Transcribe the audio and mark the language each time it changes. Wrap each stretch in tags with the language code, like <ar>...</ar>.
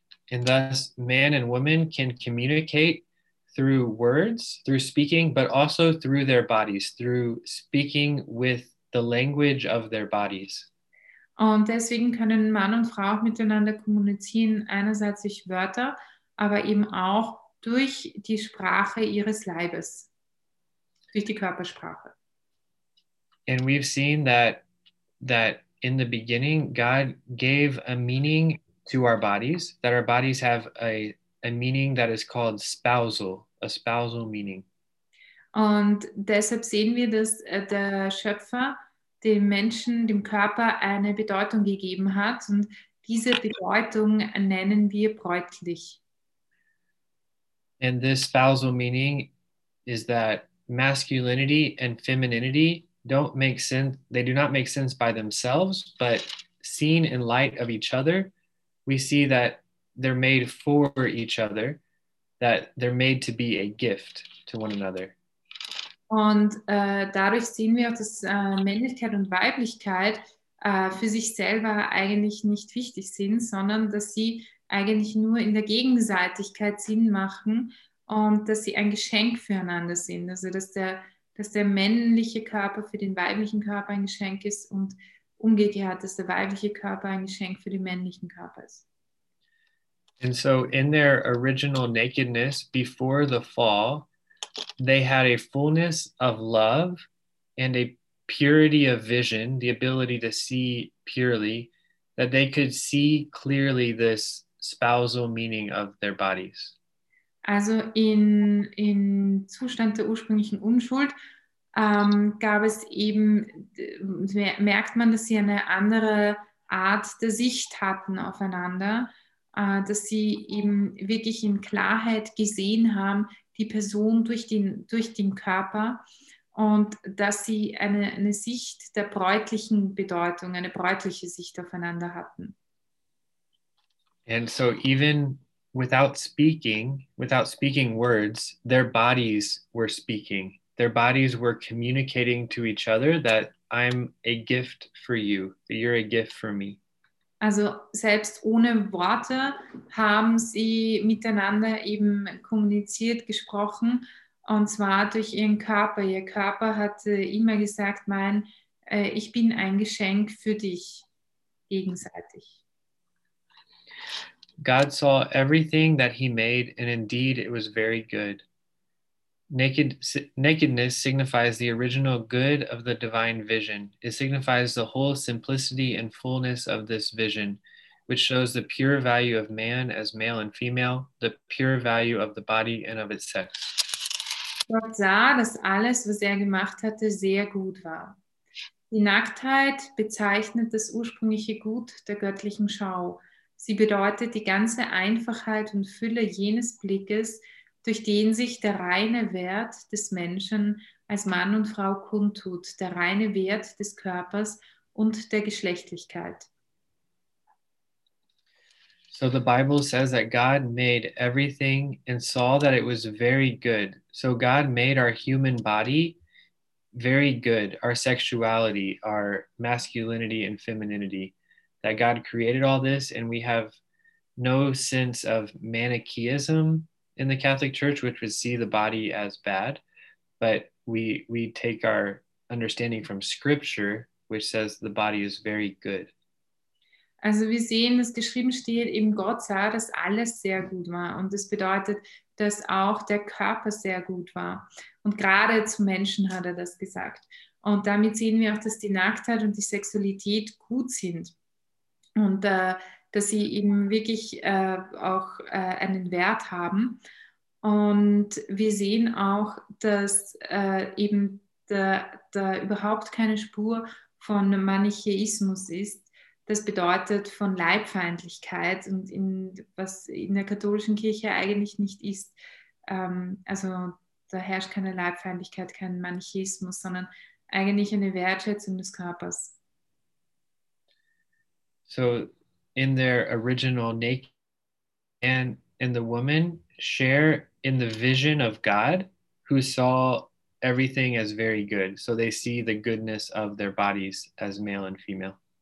<en>And thus man and woman can communicate through words, through speaking, but also through their bodies, through speaking with the language of their bodies.</en> <de>Und deswegen können Mann und Frau auch miteinander kommunizieren, einerseits durch Wörter, aber eben auch durch die Sprache ihres Leibes, durch die Körpersprache.</de> <en>And we've seen that in the beginning, God gave a meaning to our bodies, that our bodies have a meaning that is called spousal, a spousal meaning.</en> <de>Und deshalb sehen wir, dass der Schöpfer dem Menschen, dem Körper eine Bedeutung gegeben hat. Und diese Bedeutung nennen wir bräutlich.</de> <en>And this spousal meaning is that masculinity and femininity don't make sense. They do not make sense by themselves, but seen in light of each other, we see that they're made for each other, that they're made to be a gift to one another.</en> <de>Und dadurch sehen wir auch, dass Männlichkeit und Weiblichkeit für sich selber eigentlich nicht wichtig sind, sondern dass sie eigentlich nur in der Gegenseitigkeit Sinn machen und dass sie ein Geschenk füreinander sind. Also dass der männliche Körper für den weiblichen Körper ein Geschenk ist und umgekehrt, dass der weibliche Körper ein Geschenk für den männlichen Körper ist.</de> <en>And so in their original nakedness before the fall, they had a fullness of love and a purity of vision, the ability to see purely, that they could see clearly this spousal meaning of their bodies.</en> <de>Also in Zustand der ursprünglichen Unschuld gab es eben, merkt man, dass sie eine andere Art der Sicht hatten aufeinander, dass sie eben wirklich in Klarheit gesehen haben, die Person durch den Körper und dass sie eine Sicht der bräutlichen Bedeutung, eine bräutliche Sicht aufeinander hatten.</de> <en>And so even without speaking words, their bodies were speaking. Their bodies were communicating to each other that I'm a gift for you, that you're a gift for me.</en> <de>Also selbst ohne Worte haben sie miteinander eben kommuniziert, gesprochen, und zwar durch ihren Körper. Ihr Körper hatte immer gesagt, ich bin ein Geschenk für dich, gegenseitig.</de> <en>God saw everything that he made, and indeed it was very good. Nakedness signifies the original good of the divine vision. It signifies the whole simplicity and fullness of this vision, which shows the pure value of man as male and female, the pure value of the body and of its sex.</en> <de>Gott sah, dass alles, was gemacht hatte, sehr gut war. Die Nacktheit bezeichnet das ursprüngliche Gut der göttlichen Schau. Sie bedeutet die ganze Einfachheit und Fülle jenes Blickes, durch den sich der reine Wert des Menschen als Mann und Frau kundtut, der reine Wert des Körpers und der Geschlechtlichkeit.</de> <en>So the Bible says that God made everything and saw that it was very good. So God made our human body very good, our sexuality, our masculinity and femininity. That God created all this and we have no sense of Manichaeism in the Catholic Church, which would see the body as bad, but we take our understanding from Scripture, which says the body is very good.</en> <de>Also wir sehen, dass geschrieben steht, eben Gott sah, dass alles sehr gut war. Und das bedeutet, dass auch der Körper sehr gut war. Und gerade zum Menschen hat das gesagt. Und damit sehen wir auch, dass die Nacktheit und die Sexualität gut sind. Und dass sie eben wirklich auch einen Wert haben. Und wir sehen auch, dass eben da überhaupt keine Spur von Manichäismus ist. Das bedeutet von Leibfeindlichkeit, und was in der katholischen Kirche eigentlich nicht ist. Also da herrscht keine Leibfeindlichkeit, kein Manichäismus, sondern eigentlich eine Wertschätzung des Körpers.</de> <en>So in their original nakedness, man and the woman share in the vision of God, who saw everything as very good. So they see the goodness of their bodies as male and female.</en>